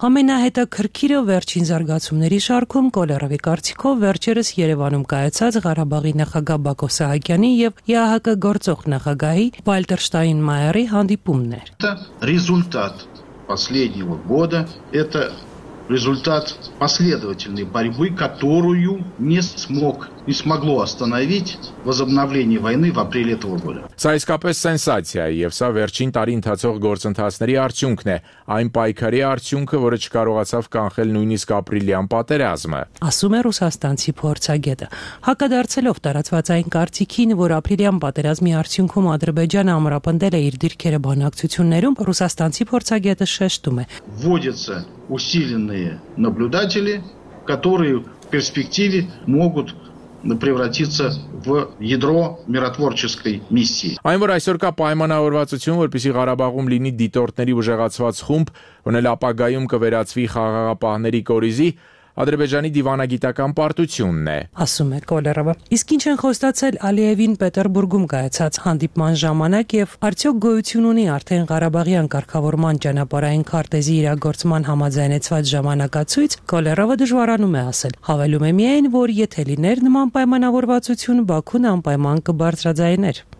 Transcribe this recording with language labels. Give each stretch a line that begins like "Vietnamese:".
Armenian: Ամենահետաքրքիրը վերջին զարգացումների շարքում Կոլերովի կարծիքով վերջերս Երևանում կայացած Ղարաբաղի նախագահ Բակո Սահակյանի և ԵԱՀԿ գործող նախագահի Վալտեր Շտայնմայերի հանդիպումն էր։
Russian: Это результат последнего года, это результат последовательной борьбы, которую не смогло остановить возобновление войны в апреле этого года.
Armenian: Սա իսկապես սենսացիա է, և սա վերջին տարի ընթացող գործընթացների արդյունքն է, այն պայքարի արդյունքը, որը չկարողացավ կանխել նույնիսկ ապրիլյան պատերազմը։ Ասում է ռուսաստանցի փորձագետը, հակադարձելով տարածված այն կարծիքին, որ ապրիլյան պատերազմի արդյունքում Ադրբեջանը ամրապնդել է իր դիրքերը բանակցություններում, ռուսաստանցի փորձագետը շեշտում է.
Russian: Вводятся усиленные наблюдатели, которые в перспективе могут превратиться в ядро миротворческой миссии.
Armenian: Այն որ այսօրքա պայմանավորվածություն, որպեսզի Ղարաբաղում լինի դիտորդների ուժեղացված խումբ, որն էլ ապագայում կվերածվի խաղաղապահների կորիզի, Ադրբեջանի դիվանագիտական պարտությունն է, ասում է Կոլերովը։ Իսկ ինչ են խոստացել Ալիևին Պետերբուրգում կայացած հանդիպման ժամանակ, և արդյոք գոյություն ունի արդեն Ղարաբաղյան կարգավորման ճանապարհային քարտեզի իրագործման համաձայնեցված ժամանակացույց, Կոլերովը դժվարանում է ասել։ Հավելում է միայն, որ եթե լիներ նման պայմանավորվածություն, Բաքուն անպայման կբարձրաձայներ։